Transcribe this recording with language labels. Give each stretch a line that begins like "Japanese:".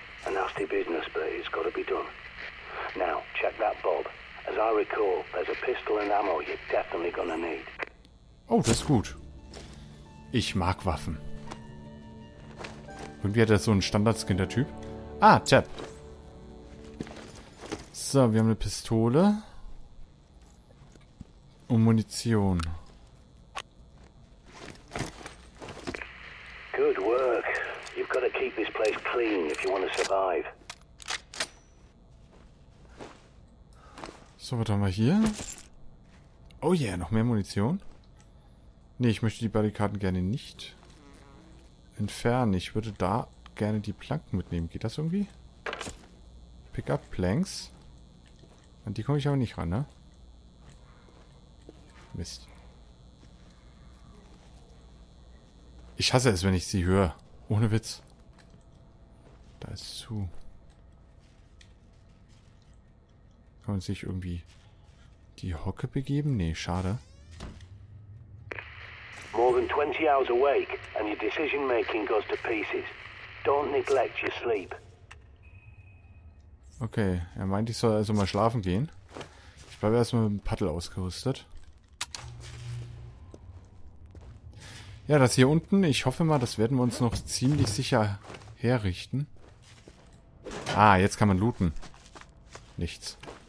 English: A nasty business, but it's got to be done. Now check that bulb. As I recall, there's a pistol and ammo you're definitely gonna need.
German: Oh, das ist gut. Ich mag Waffen. Irgendwie hat er so einen Standard-Skinder-Typ. Ah, Tab. So, wir haben eine Pistole. Und Munition.
English: Good work. You've got to keep this place clean if you want to survive.
German: So, was haben wir hier?
English: Oh yeah,
German: noch mehr Munition. Nee, ich möchte die Barrikaden gerne nicht entfernen. Ich würde da gerne die Planken mitnehmen. Geht das irgendwie?
English: Pick up Planks.
German: An die komme ich aber nicht ran, ne? Mist. Ich hasse es, wenn ich sie höre. Ohne Witz. Da ist zu. Kann man sich irgendwie die Hocke begeben? Nee, schade.
English: More than 20 hours awake and your decision making goes to pieces. Don't neglect your sleep.
German: Okay, er meint, ich soll also mal schlafen gehen. Ich bleibe erstmal mit dem Paddel ausgerüstet. Ja, das hier unten, ich hoffe mal, das werden wir uns noch ziemlich sicher herrichten. Ah, jetzt kann man looten. Nichts.